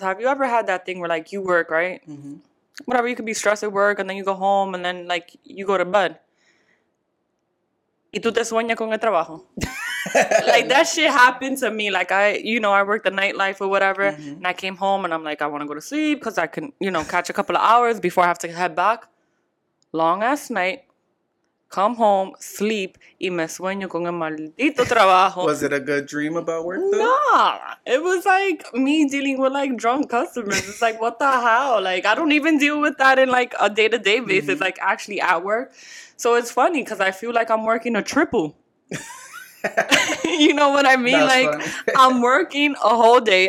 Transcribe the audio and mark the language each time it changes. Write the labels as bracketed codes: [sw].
[en] Have you ever had that thing where like you work, right? Mm-hmm. Whatever, you could be stressed at work and then you go home and then like you go to bed. [es] Y tú te sueñas con el trabajo. [en] Like, that shit happened to me. Like, I, you know, I worked the nightlife or whatever. Mm-hmm. And I came home and I'm like, I want to go to sleep because I can, you know, catch a couple of hours before I have to head back. Long ass night. Come home, sleep, [es] y me sueño con el maldito trabajo. [en] Was it a good dream about work, though? Nah. It was like me dealing with, like, drunk customers. It's like, what the hell? Like, I don't even deal with that in, like, a day-to-day basis, mm-hmm. like, actually at work. So it's funny because I feel like I'm working a triple. You know what I mean? That's like, I'm working a whole day.